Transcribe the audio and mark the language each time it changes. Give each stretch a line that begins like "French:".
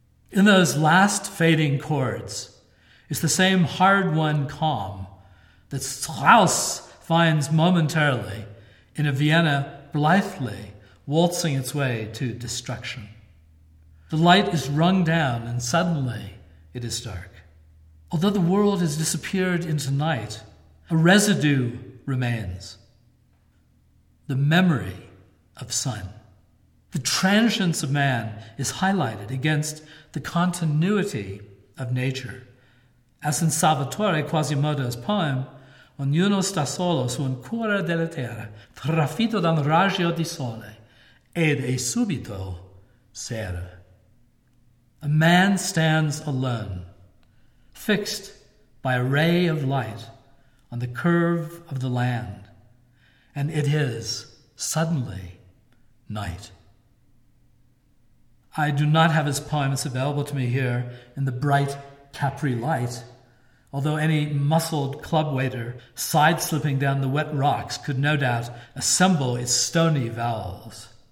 English: In those last fading chords is the same hard-won calm that Strauss finds momentarily in a Vienna blithely waltzing its way to destruction. The light is rung down, and suddenly it is dark. Although the world has disappeared into night, a residue remains. The memory of sun. The transience of man is highlighted against the continuity of nature, as in Salvatore Quasimodo's poem,
Italian: Ognuno sta solo su un cuore della terra, trafitto da un raggio di sole, ed è subito sera.
English: A man stands alone, fixed by a ray of light on the curve of the land, and it is suddenly night. I do not have his poems available to me here in the bright Capri light, although any muscled club waiter side-slipping down the wet rocks could no doubt assemble its stony vowels.